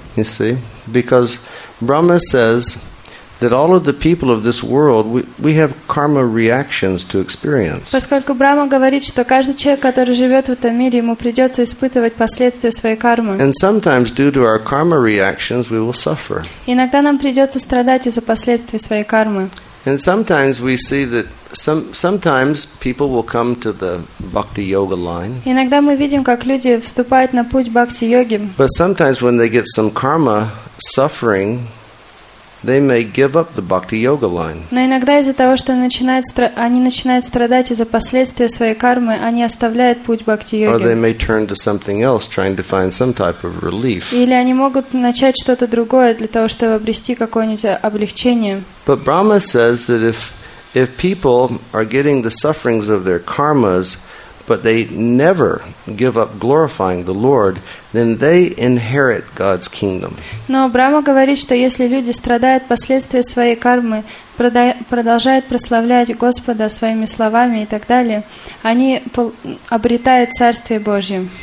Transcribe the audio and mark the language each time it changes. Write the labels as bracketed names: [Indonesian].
[English] You see, because Brahma says that all of the people of this world, we have karma reactions to experience. [Russian] Поскольку Брама говорит, что каждый человек, который живет в этом мире, ему придется испытывать последствия своей кармы. [English] And sometimes, due to our karma reactions, we will suffer. [Russian] Иногда нам придется страдать из-за последствий своей кармы. [English] And sometimes we see that sometimes people will come to the bhakti yoga line. [Russian] Иногда мы видим, как люди вступают на путь бхакти йоги. [English] But sometimes, when they get some karma suffering, they may give up the bhakti yoga line. [Russian] Но иногда из-за того, что они начинают страдать из-за последствий своей кармы, они оставляют путь бхакти йоги. [English] Or they may turn to something else, trying to find some type of relief. [Russian] Или они могут начать что-то другое для того, чтобы обрести какое-нибудь облегчение. [English] But Brahma says that if people are getting the sufferings of their karmas, but they never give up glorifying the Lord, then they inherit God's kingdom. [Russian] Но Брама говорит, что если люди страдают последствия своей кармы, продолжают прославлять Господа своими словами и так далее, они обретают Царствие Божье.